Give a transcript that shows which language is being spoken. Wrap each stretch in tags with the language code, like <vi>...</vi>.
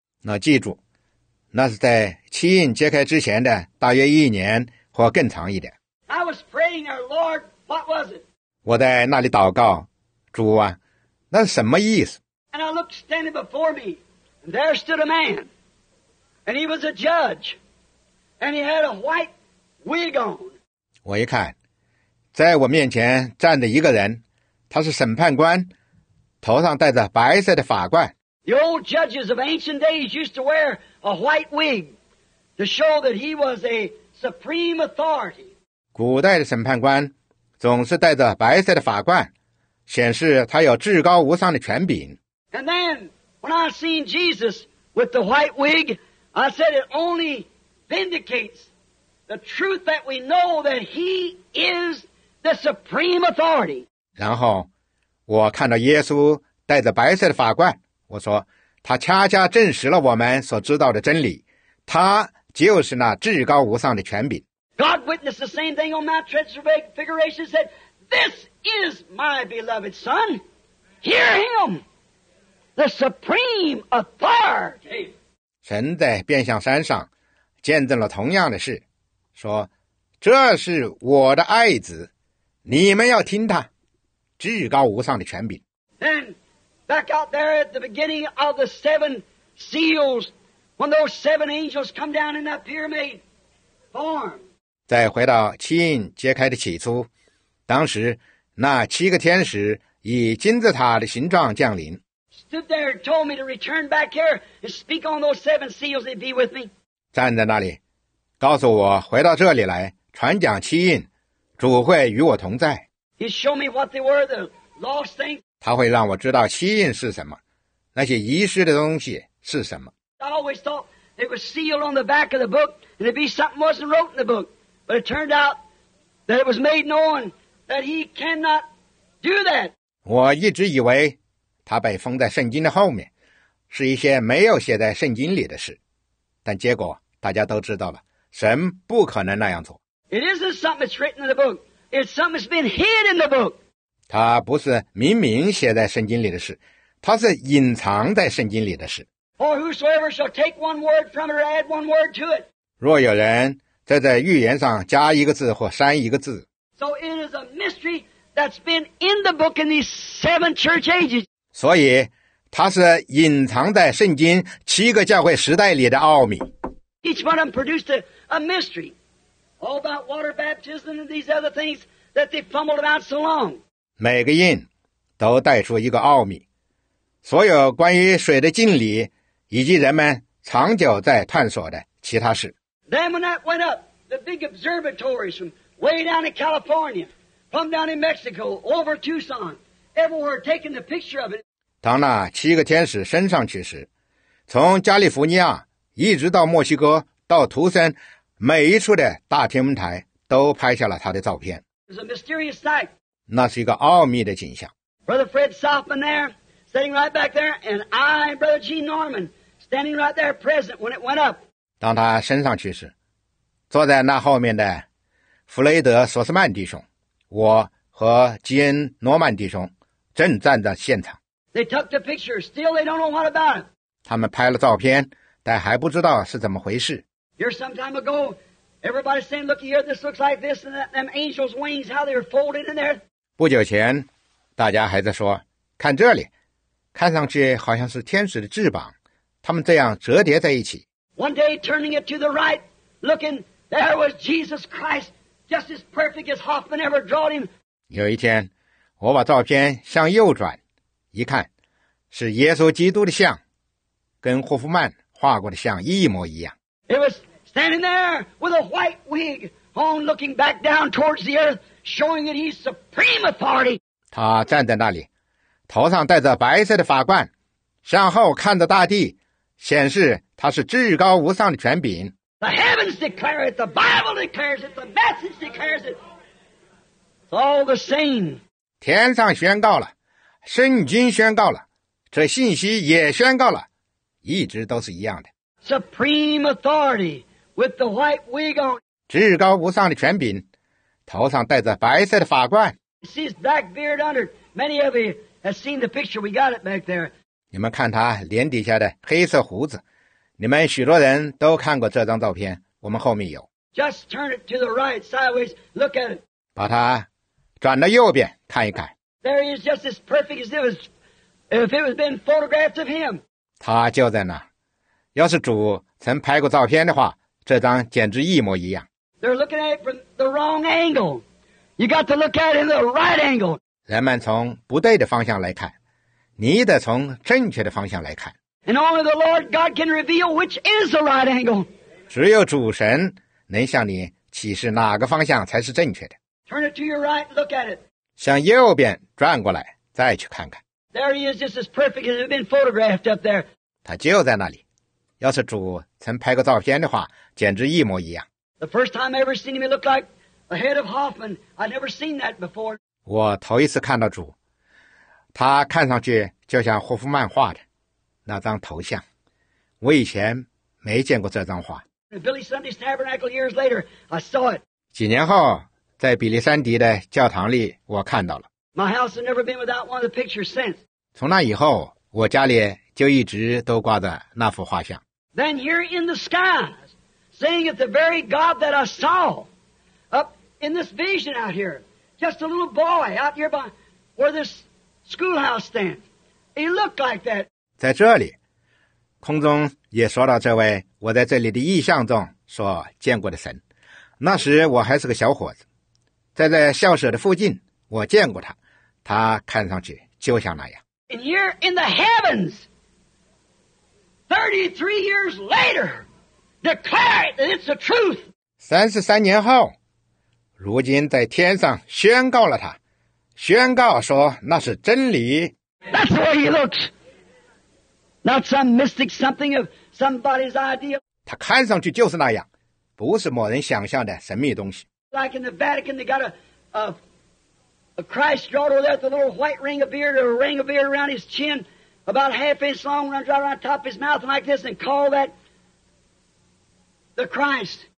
<zh>那记住，那是在七印揭开之前的大约一年或更长一点。</zh> <en>I was praying, our Lord, what was it?</en> <zh>我在那里祷告，主啊，那是什么意思？</zh> <en>And I looked standing before me, and there stood a man, and he was a judge, and he had a white wig on.</en> <zh>我一看，在我面前站着一个人，他是审判官。头上戴着白色的法冠。</zh> <en>The old judges of ancient days used to wear a white wig to show that he was a supreme authority.</en> <zh>古代的审判官总是戴着白色的法冠，显示他有至高无上的权柄。</zh> <en>And then, when I seen Jesus with the white wig, I said it only vindicates the truth that we know that he is the supreme authority.</en> <zh>然后我看到耶稣戴着白色的法冠，我说他恰恰证实了我们所知道的真理，他就是那至高无上的权柄。</zh> <en>God witnessed the same thing on Mount Transfiguration, said, "This is my beloved Son. Hear him, the supreme authority."</en> <zh>神在变相山上见证了同样的事，说这是我的爱子，你们要听他。至高无上的权柄。</zh> <en>Then, back out there at the beginning of the seven seals, when those seven angels come down in that pyramid form.</en> <zh>再回到七印揭开的起初，当时那七个天使以金字塔的形状降临。</zh> <en>Stood there, told me to return back here and speak on those seven seals and be with me.</en> <zh>站在那里，告诉我回到这里来传讲七印，主会与我同在。</zh> <en>He showed me what they were, the lost things.</en> <zh>他会让我知道七印是什么，那些遗失的东西是什么。</zh> <en>I always thought it was sealed on the back of the book and it'd be something wasn't wrote in the book, but it turned out that it was made known that he cannot do that.</en> <zh>我一直以为他被封在圣经的后面，是一些没有写在圣经里的事，但结果大家都知道了，神不可能那样做。</zh> <en>It isn't something that's written in the book. It's something that's been hid in the book.</en> <zh>它不是明明写在圣经里的事，它是隐藏在圣经里的事。</zh> <en>For whosoever shall take one word from it or add one word to it.</en> <zh>若有人再在预言上加一个字或删一个字。</zh> <en>So it is a mystery that's been in the book in these seven church ages.</en> <zh>所以它是隐藏在圣经七个教会时代里的奥秘。</zh> <en>Each one of them produced a mystery all about water baptism and these other things that they fumbled about so long.</en> <zh>每个印都带出一个奥秘，所有关于水的敬礼以及人们长久在探索的其他事。</zh> <en>Then when that went up, the big observatories from way down in California, from down in Mexico, over Tucson, everywhere taking the picture of it.</en> <zh>当那七个天使升上去时，从加利福尼亚一直到墨西哥，到图森，每一处的大天文台都拍下了他的照片。</zh> <en>It's a mysterious sight.</en> <zh>那是一个奥秘的景象。</zh> <en>Brother Fred Southman there, sitting right back there, and I, Brother Gene Norman, standing right there present when it went up.</en> <zh>当他升上去时，坐在那后面的弗雷德·索斯曼弟兄，我和基恩·诺曼弟兄正站在现场。</zh> <en>They took the picture, still they don't know what about it.</en> <zh>他们拍了照片，但还不知道是怎么回事。</zh> <en>Here some time ago, everybody saying, "Look here, this looks like this and that, them angels' wings, how they're folded in there."</en> <zh>不久前，大家还在说，看这里，看上去好像是天使的翅膀，他们这样折叠在一起。</zh> <en>One day, turning it to the right, looking, there was Jesus Christ, just as perfect as Hoffman ever drawn him.</en> <zh>有一天，我把照片向右转，一看，是耶稣基督的像，跟霍夫曼画过的像一模一样。</zh> <en>It was standing there with a white wig on, looking back down towards the earth, showing that he's supreme authority.</en> <zh>他站在那里，头上戴着白色的法冠，向后看着大地，显示他是至高无上的权柄。</zh> <en>The heavens declare it, the Bible declares it, the message declares it. It's all the same.</en> <zh>天上宣告了，圣经宣告了，这信息也宣告了。一直都是一样的。</zh> <en>Supreme authority with the white wig on.</en> <zh>至高无上的权柄，头上戴着白色的法冠。</zh> <en>See his black beard under. Many of you have seen the picture. We got it back there.</en> <zh>你们看他脸底下的黑色胡子，你们许多人都看过这张照片。我们后面有。</zh> <en>Just turn it to the right sideways. Look at it.</en> <zh>把它转到右边看一看。</zh> <en>There he is, just as perfect as if it was been photographed of him.</en> <zh>他就在那，要是主曾拍过照片的话，这张简直一模一样。</zh> <en>They're looking at it from the wrong angle. You got to look at it in the right angle.</en> <zh>人们从不对的方向来看，你得从正确的方向来看。</zh> <en>And only the Lord God can reveal which is the right angle.</en> <zh>只有主神能向你启示哪个方向才是正确的。</zh> <en>Turn it to your right, look at it.</en> <zh>向右边转过来，再去看看。</zh> <en>There he is, just as perfect as it had been photographed up there.</en> <zh>他就在那里，要是主曾拍个照片的话，简直一模一样。</zh> <en>The first time I ever seen him, he looked like the head of Hoffman. I'd never seen that before.</en> <zh>我头一次看到主，他看上去就像霍夫曼画的那张头像。我以前没见过这张画。</zh> <en>Billy Sunday's Tabernacle years later, I saw it.</en> <zh>几年后，在比利山迪的教堂里，我看到了。</zh> <en>My house has never been without one of the pictures since.</en> <zh>从那以后，我家里就一直都挂着那幅画像。</zh> <en>Then here in the skies, saying that the very God that I saw up in this vision out here, just a little boy out here by where this schoolhouse stands, he looked like that.</en> <zh>在这里，空中也说到这位我在这里的异象中所见过的神，那时我还是个小伙子，在校舍的附近，我见过他，他看上去就像那样。</zh> <en>And you're in the heavens. 33 years later, declare that it's the truth.</en> <zh>33年后，如今在天上宣告了他，宣告说那是真理。</zh> <en>That's the way he looks. Not some mystic something of somebody's idea.</en> <zh>他看上去就是那样，不是某人想象的神秘东西。</zh> <en>Like in the Vatican, they got a Christ drawn over there with a little white ring of beard or a ring of beard around his chin, about half inch long, runs right around the top of his mouth like this, and call that the Christ.</en>